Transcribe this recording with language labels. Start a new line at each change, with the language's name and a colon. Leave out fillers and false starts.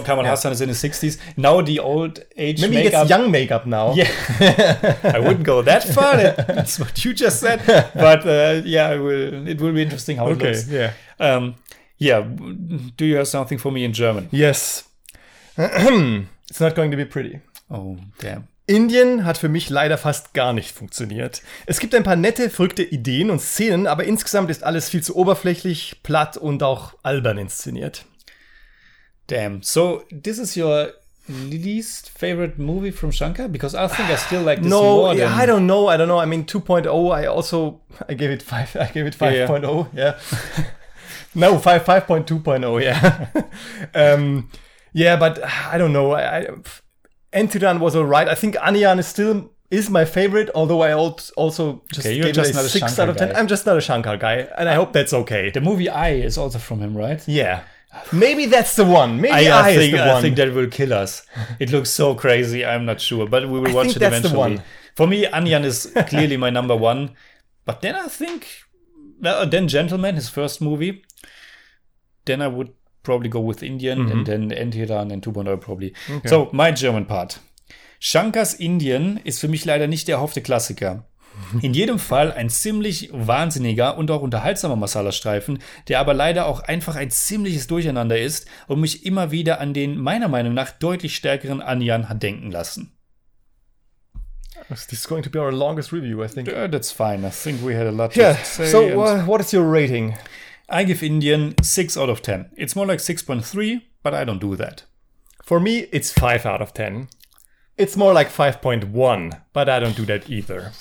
English: Kamal Haasan is in his 60s now, the old age, maybe makeup, he gets young makeup now. Yeah, I wouldn't go that far, that's what you just said, but it will be interesting how it looks. Do you have something for me in German? Yes, it's not going to be pretty. Oh, damn.
German: Indien hat für mich leider fast gar nicht funktioniert. Es gibt ein paar nette, verrückte Ideen und Szenen, aber insgesamt ist alles viel zu oberflächlich, platt und auch albern inszeniert.
English: Damn. So, this is your least favorite movie from Shankar? Because I think I still like this more than... No, I don't know. I don't know. I mean, 2.0, I gave it 5. I gave it 5.0, yeah. No, 5.2.0, yeah. yeah, but I don't know. Entidan was all right. I think Anian is still my favorite, although I also just gave it a 6 out of 10. I'm just not a Shankar guy, and I hope that's okay. The movie I is also from him, right? Yeah. Maybe that's the one. Maybe I is the one. I think that will kill us. It looks so crazy. I'm not sure, but we will watch it eventually. That's the one. For me, Anian is clearly my number one. But then I think... Then Gentleman, his first movie. Then I would... probably go with Indian and then Entiran and 2.0 probably. Okay. So, my German part.
German: Shankars Indien ist für mich leider nicht der erhoffte Klassiker. In jedem Fall ein ziemlich wahnsinniger und auch unterhaltsamer Masala-Streifen, der aber leider auch einfach ein ziemliches Durcheinander ist und mich immer wieder an den meiner Meinung nach deutlich stärkeren Anyan hat denken lassen.
English: This is going to be our longest review, I think. That's fine. I think we had a lot to say. So, what is your rating? I give Indian 6 out of 10. It's more like 6.3, but I don't do that. For me, it's 5 out of 10. It's more like 5.1, but I don't do that either.